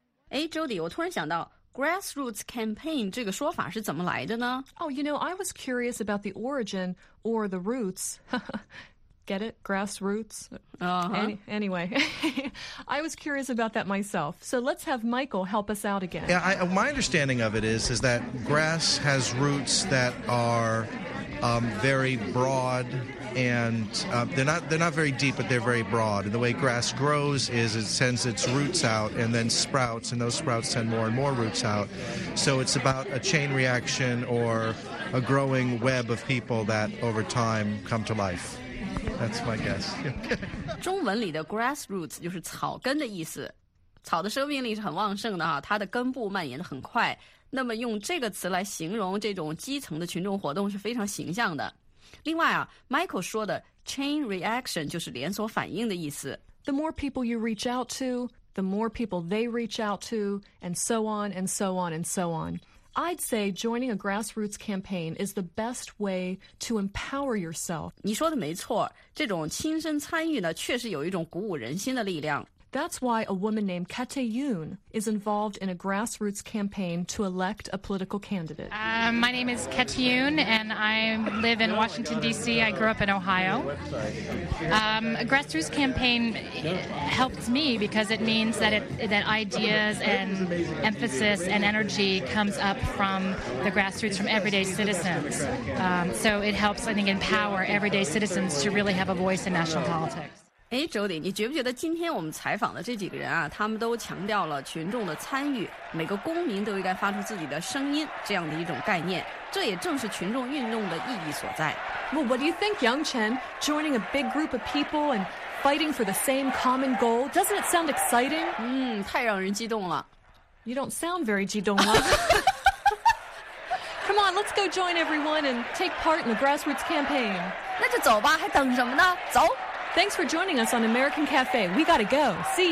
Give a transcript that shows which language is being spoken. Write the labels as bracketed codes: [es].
[zh] Hey, Jody, 我突然想到 grassroots campaign 这个说法是怎么来的呢 [en] Oh, you know, I was curious about the origin or the roots. Get it? Grassroots? Anyway, I was curious about that myself. So let's have Michael help us out again. Yeah, my understanding of it is that grass has roots that are very broad and they're not very deep, but they're very broad. And the way grass grows is it sends its roots out and then sprouts, and those sprouts send more and more roots out. So it's about a chain reaction or a growing web of people that over time come to life. That's my guess. [zh] 中文里的 grassroots 就是草根的意思，草的生命力是很旺盛的哈，它的根部蔓延的很快。那么用这个词来形容这种基层的群众活动是非常形象的。另外啊 ，Michael 说的 chain reaction 就是连锁反应的意思。 [en] The more people you reach out to, the more people they reach out to, and so on and so on and so on. I'd say joining a grassroots campaign is the best way to empower yourself. [zh] 你说的没错，这种亲身参与呢，确实有一种鼓舞人心的力量。 [en] That's why a woman named Kate Yoon is involved in a grassroots campaign to elect a political candidate. My name is Kate Yoon, and I live in Washington, D.C. I grew up in Ohio. A grassroots campaign helped me because it means that, that ideas and emphasis and energy comes up from the grassroots, from everyday citizens. So it helps, I think, empower everyday citizens to really have a voice in national politics. [zh] 哎 ，Jody， 你觉不觉得今天我们采访的这几个人啊，他们都强调了群众的参与，每个公民都应该发出自己的声音这样的一种概念，这也正是群众运动的意义所在。 [en] Well, what do you think, Yang Chen? Joining a big group of people and fighting for the same common goal, doesn't it sound exciting? [zh] 嗯，太让人激动了。 [en] You don't sound very [zh] 激动了。 [en] Come on, let's go join everyone and take part in the grassroots campaign. [zh] 那就走吧，还等什么呢？走。 [en] Thanks for joining us on American Cafe. We gotta go. See ya.